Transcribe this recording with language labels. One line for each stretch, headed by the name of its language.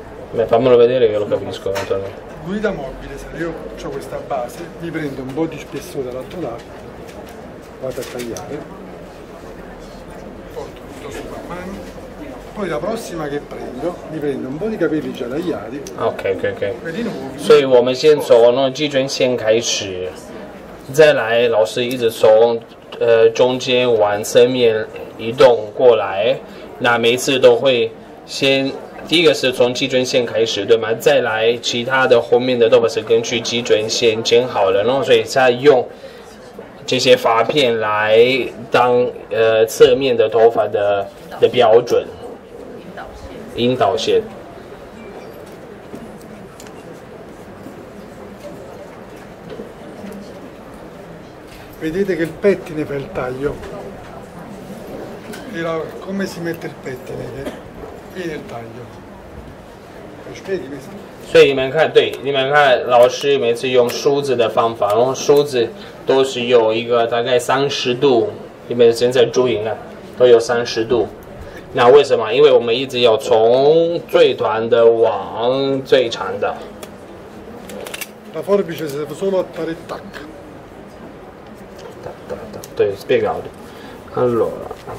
Italian: Beh, fammelo vedere che lo capisco. Guida mobile, se io ho questa base, mi prendo un po' di spessore dall'altro lato, vado a tagliare, porto tutto su man mano. Poi la prossima che prendo, mi prendo un po' di capelli già tagliati. Ok.
Chinese: 所以我们先从那基准线开始，再来老师一直从中间往侧面移动过来，那每次都会先第一个是从基准线开始，对吗？再来其他的后面的都不是根据基准线剪好了，然后所以再用这些发片来当侧面的头发的标准。引导线。
Italian: Vedete che il pettine fa il taglio. E la, come si mette il pettine? Viene il taglio. Spieghi questo.
Chinese: 所以你们看，对，你们看，老师每次用梳子的方法，然后梳子都是有一个大概30度，你们现在注意看，都有30度。那为什么？因为我们一直要从最短的往最长的。
Italian: La forbice serve solo a fare tac。
Chinese: 对，
Italian: spiegato。Allora。